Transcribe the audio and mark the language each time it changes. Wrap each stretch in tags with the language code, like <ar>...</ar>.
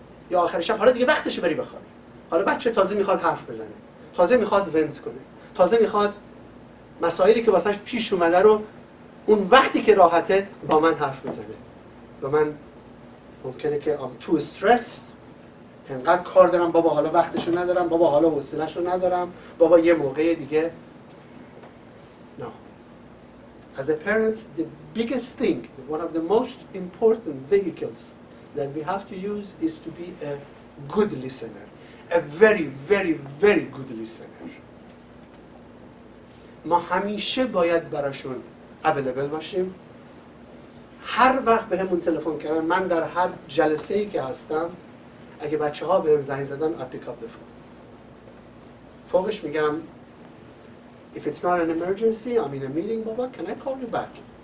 <fa>یا آخر شب حالا دیگه وقتشه بری بخوابی، حالا بچه تازه میخواد حرف بزنه، تازه میخواد ونت کنه، تازه میخواد مسائلی که واسش پیش اومده رو اون وقتی که راحته با من حرف بزنه. با من ممکنه که</fa> <en>I'm too stressed،</en> <fa>انقدر کار دارم بابا، حالا وقتشو ندارم بابا، حالا حوصله‌شو ندارم بابا، یه موقع دیگه.</fa> <en>No. As a parents, the biggest thing, one of the most important vehicles that we have to use is to be a good listener. A very, very, very good listener.</en> <fa>ما همیشه باید براشون available باشیم. هر وقت به همون تلفن کردن، من در هر جلسه‌ای که هستم اگه بچه‌ها بهم زنگ زدن اپیکاپ بفرم. فوقش میگم</fa> <en>if it's not an emergency I'm in a meeting بابا can I call you back.</en>